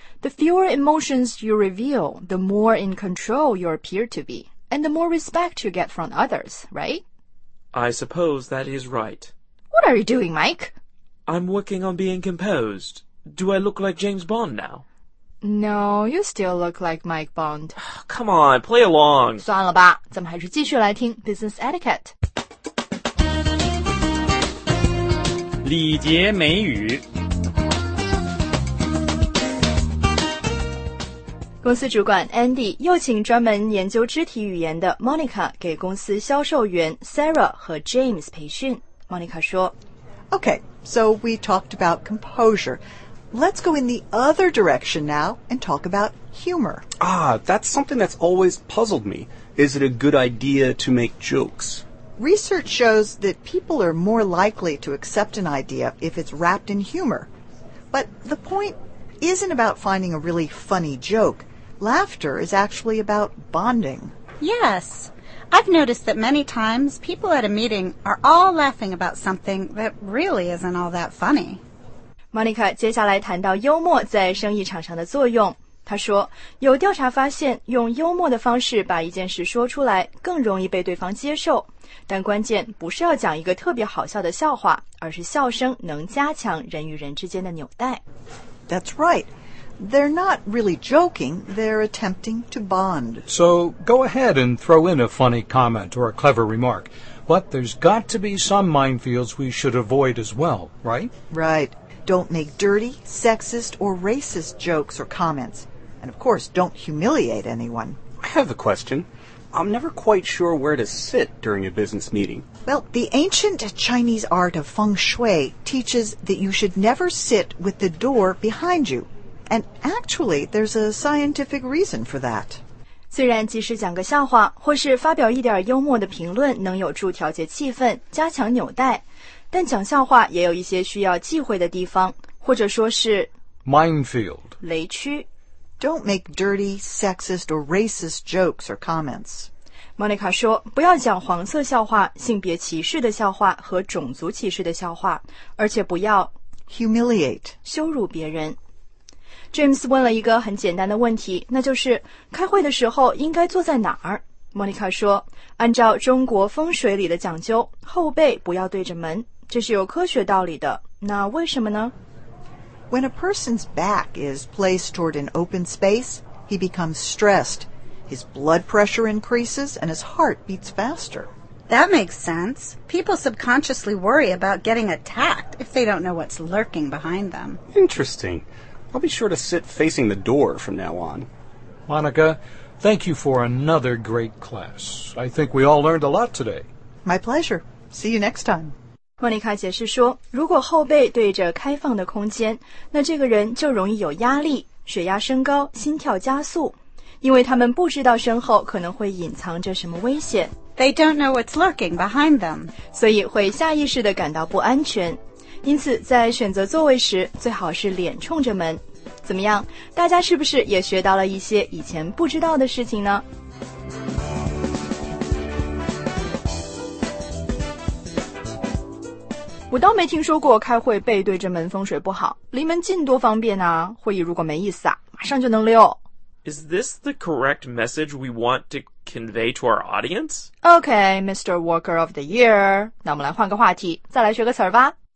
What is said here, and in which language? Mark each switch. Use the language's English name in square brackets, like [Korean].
[English] The fewer emotions you reveal, the more in control you appear to be, and the more respect you get from others, right? I suppose that is right. What are you doing, Mike? I'm working on being composed. Do I look like James Bond now? No, you still look like Mike Bond. Come on, play along. [Chinese] 算了吧，咱们还是继续来听 Business Etiquette。礼节美语。公司主管 Andy 又请专门研究肢体语言的 Monica 给公司销售员 Sarah 和 James 培训。 Monica 说 [English] Okay, so we talked about composure. Let's go in the other direction now and talk about humor. Ah, that's something that's always puzzled me. Is it a good idea to make jokes? Research shows that people are more likely to accept an idea if it's wrapped in humor. But the point isn't about finding a really funny joke. Laughter is actually about bonding. Yes. I've noticed that many times people at a meeting are all laughing about something that really isn't all that funny. [Chinese] Monica 接下来谈到幽默在生意场上的作用。她说，有调查发现，用幽默的方式把一件事说出来，更容易被对方接受。但关键不是要讲一个特别好笑的笑话，而是笑声能加强人与人之间的纽带。 [English] That's right. They're not really joking. They're attempting to bond. So go ahead and throw in a funny comment or a clever remark. But there's got to be some minefields we should avoid as well, right? Right. Don't make dirty, sexist, or racist jokes or comments. And of course, don't humiliate anyone. I have a question. I'm never quite sure where to sit during a business meeting. Well, the ancient Chinese art of feng shui teaches that you should never sit with the door behind you. And actually, there's a scientific reason for that. [Chinese] 虽然即使讲个笑话或是发表一点幽默的评论能有助调节气氛，加强纽带，但讲笑话也有一些需要忌讳的地方，或者说是 [English] minefield [Chinese] 雷区。 [English] Don't make dirty, sexist, or racist jokes or comments. [Chinese] Monica 说，不要讲黄色笑话、性别歧视的笑话和种族歧视的笑话，而且不要 [English] humiliate [Chinese] 羞辱别人。 James 问了一个很简单的问题，那就是开会的时候应该坐在哪儿？ Monica 说，按照中国风水里的讲究，后背不要对着门，这是有科学道理的。那为什么呢？ [English] When a person's back is placed toward an open space, he becomes stressed. His blood pressure increases and his heart beats faster. That makes sense. People subconsciously worry about getting attacked if they don't know what's lurking behind them. Interesting. I'll be sure to sit facing the door from now on. Monica, thank you for another great class. I think we all learned a lot today. My pleasure. See you next time. [Chinese] 莫妮卡解释说，如果后背对着开放的空间，那这个人就容易有压力，血压升高，心跳加速，因为他们不知道身后可能会隐藏着什么危险。 [English] They don't know what's lurking behind them. [Chinese] 所以会下意识地感到不安全。因此在选择座位时最好是脸冲着门。怎么样，大家是不是也学到了一些以前不知道的事情呢？我倒没听说过开会背对着门风水不好，离门近多方便啊，会议如果没意思啊，马上就能溜。 [English] Is this the correct message we want to convey to our audience? Okay, Mr. Worker of the Year. [Chinese] 那我们来换个话题，再来学个词儿吧。